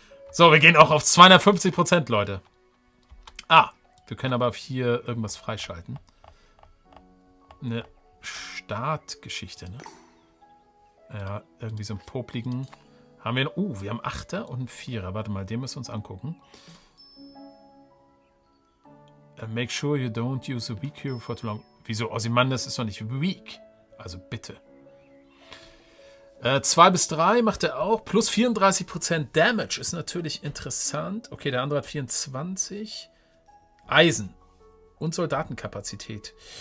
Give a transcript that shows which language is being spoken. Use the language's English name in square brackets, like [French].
[German] So, wir gehen auch auf 250%, Leute. Ah, wir können aber hier irgendwas freischalten. Eine Startgeschichte, ne? Ja, irgendwie so ein popligen. Haben wir einen. Wir haben 8er und 4er. Warte mal, den müssen wir uns angucken. [English] Make sure you don't use a weak hero for too long. [German] Wieso? Ozymandias ist doch nicht weak. Also bitte. 2 bis 3 macht er auch. Plus 34% Damage ist natürlich interessant. Okay, der andere hat 24. Eisen und Soldatenkapazität.